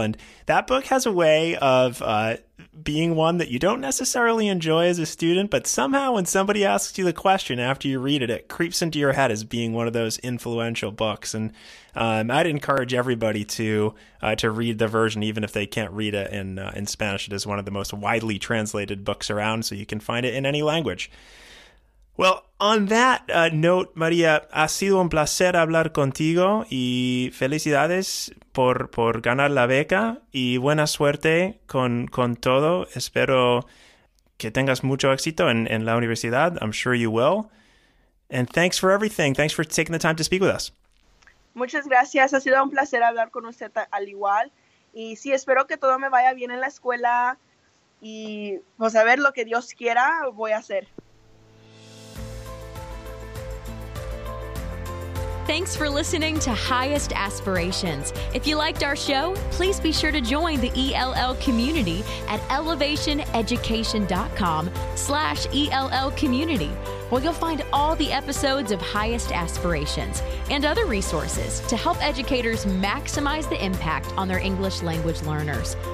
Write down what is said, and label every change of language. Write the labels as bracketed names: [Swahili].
[English] And that book has a way of being one that you don't necessarily enjoy as a student, but somehow when somebody asks you the question after you read it, it creeps into your head as being one of those influential books. And I'd encourage everybody to read the version, even if they can't read it in Spanish. It is one of the most widely translated books around, so you can find it in any language. Well, on that note, [Spanish] María, ha sido un placer hablar contigo y felicidades por ganar la beca y buena suerte con todo. Espero que tengas mucho éxito en la universidad. [English] I'm sure you will. And thanks for everything. Thanks for taking the time to speak with us. [Spanish] Muchas gracias. Ha sido un placer hablar con usted al igual. Y sí, espero que todo me vaya bien en la escuela y pues a ver lo que Dios quiera voy a hacer. [English] Thanks for listening to Highest Aspirations. If you liked our show, please be sure to join the ELL community at elevationeducation.com/ELL community, where you'll find all the episodes of Highest Aspirations and other resources to help educators maximize the impact on their English language learners.